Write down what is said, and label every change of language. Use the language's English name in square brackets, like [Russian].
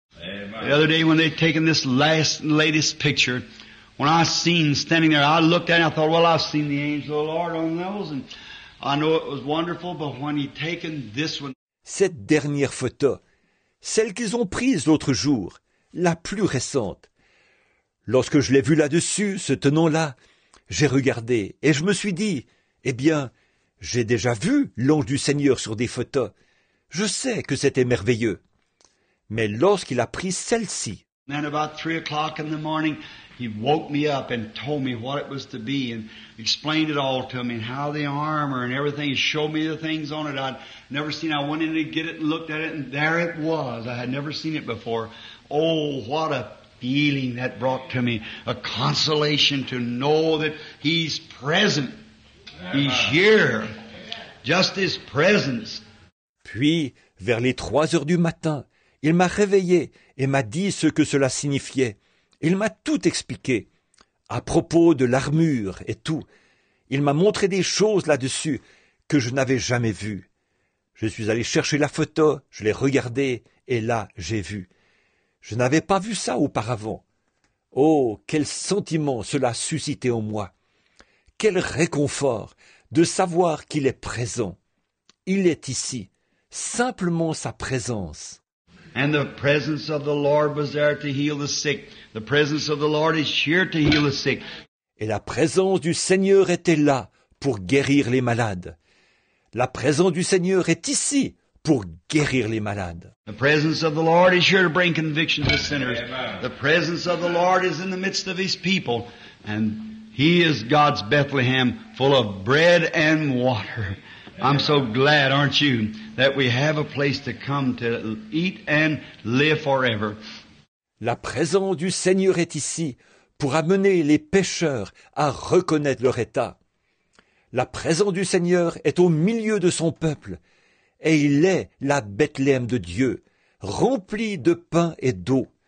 [English] The other day when they'd taken this latest picture, when I seen standing there, I looked at it and I thought, well, I've seen the angel of the Lord on those, and I know it was wonderful, but when he'd taken this one. [French] Cette dernière photo, celle qu'ils ont prise l'autre jour, la plus récente. Lorsque je l'ai vue là-dessus, ce tenant-là, j'ai regardé et je me suis dit, eh bien, j'ai déjà vu l'ange du Seigneur sur des photos. Je sais que c'était merveilleux. Mais lorsqu'il a pris celle-ci, [English] then about 3 o'clock in the morning, he woke me up and told me what it was to be and explained it all to me and how the armor and everything, showed me the things on it I'd never seen. I went in to get it and looked at it and there it was. I had never seen it before. Oh, what a feeling that brought to me. A consolation to know that he's present. He's here. Just his presence. [French] Puis, vers les 3 heures du matin, il m'a réveillé et m'a dit ce que cela signifiait. Il m'a tout expliqué, à propos de l'armure et tout. Il m'a montré des choses là-dessus que je n'avais jamais vues. Je suis allé chercher la photo, je l'ai regardée, et là, j'ai vu. Je n'avais pas vu ça auparavant. Oh, quel sentiment cela a suscité en moi. Quel réconfort de savoir qu'il est présent. Il est ici, simplement sa présence. [English] And the presence of the Lord was there to heal the sick. The presence of the Lord is here to heal the sick. [French] Et la présence du Seigneur était là pour guérir les malades. La présence du Seigneur est ici pour guérir les malades. [English] The presence of the Lord is here to bring conviction to sinners. The presence of the Lord is in the midst of his people. And he is God's Bethlehem, full of bread and water. I'm so glad, aren't you, that we have a place to come to eat and live forever. [French] La présence du Seigneur est ici pour amener les pécheurs à reconnaître leur état. La présence du Seigneur est au milieu de son peuple et il est la Bethléem de Dieu, remplie de pain et d'eau.